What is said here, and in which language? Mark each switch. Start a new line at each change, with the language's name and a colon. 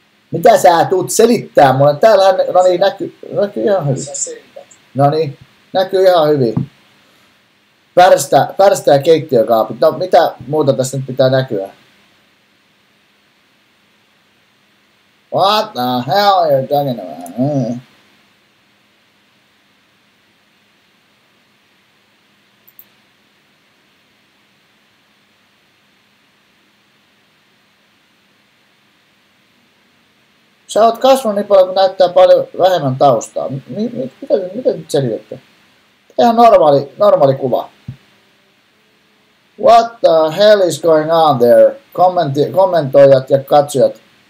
Finnish: Mitä sä tuut selittää mulle? Täällähän, no niin, näkyy ihan hyvin. No niin, näkyy ihan hyvin. Pärstä ja keittiökaapit. No mitä muuta tässä nyt pitää näkyä?
English: What the hell are you talking about?
Finnish: Sä oot kasvanut niin paljon, kun näyttää paljon vähemmän taustaa. Mitä nyt selitätte? Ihan normaali kuva.
English: What the hell is going on there?
Finnish: Kommentoijat ja katsojat.